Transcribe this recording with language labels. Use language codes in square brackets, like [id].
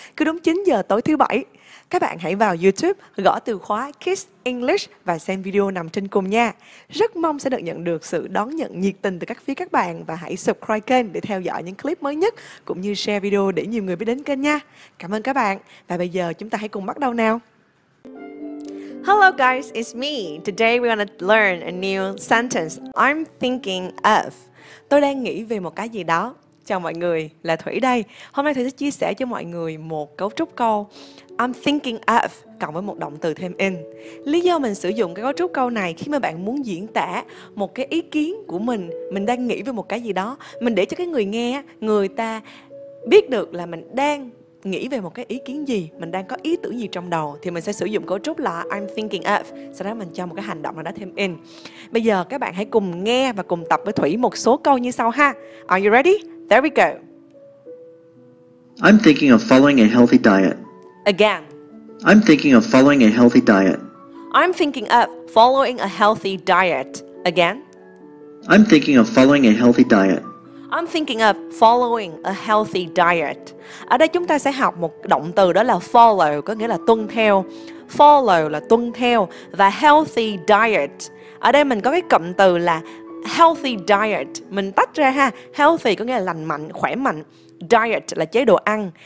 [vi] Cứ đúng 9 giờ tối thứ bảy, các bạn hãy vào YouTube gõ từ khóa Kiss English và xem video nằm trên cùng nha. Rất mong sẽ được nhận được sự đón nhận nhiệt tình từ các phía các bạn và hãy subscribe kênh để theo dõi những clip mới nhất cũng như share video để nhiều người biết đến kênh nha. Cảm ơn các bạn và bây giờ chúng ta hãy cùng bắt đầu nào. [en] Hello guys, it's me. Today we're going to learn a new sentence. I'm thinking of. [vi] Tôi đang nghĩ về một cái gì đó. Chào mọi người, là Thủy đây. Hôm nay Thủy sẽ chia sẻ cho mọi người một cấu trúc câu [en] I'm thinking of [vi] cộng với một động từ thêm in. Lý do mình sử dụng cái cấu trúc câu này khi mà bạn muốn diễn tả một cái ý kiến của mình đang nghĩ về một cái gì đó, mình để cho cái người nghe, người ta biết được là mình đang nghĩ về một cái ý kiến gì, mình đang có ý tưởng gì trong đầu, thì mình sẽ sử dụng cấu trúc là [en] I'm thinking of, [vi] sau đó mình cho một cái hành động nào đó thêm in. Bây giờ các bạn hãy cùng nghe và cùng tập với Thủy một số câu như sau ha. [en] Are you ready? There we go. I'm thinking of following a healthy diet. Again. I'm thinking of following a healthy diet. I'm thinking of following a healthy diet. Again. I'm thinking of following a healthy diet. I'm thinking of following a healthy diet. [vi] Ở đây chúng ta sẽ học một động từ đó là follow, có nghĩa là tuân theo. Follow là tuân theo. Và healthy diet, ở đây mình có cái cụm từ là healthy diet. Mình tách ra ha. Healthy có nghĩa là lành mạnh, khỏe mạnh. Diet là chế độ ăn.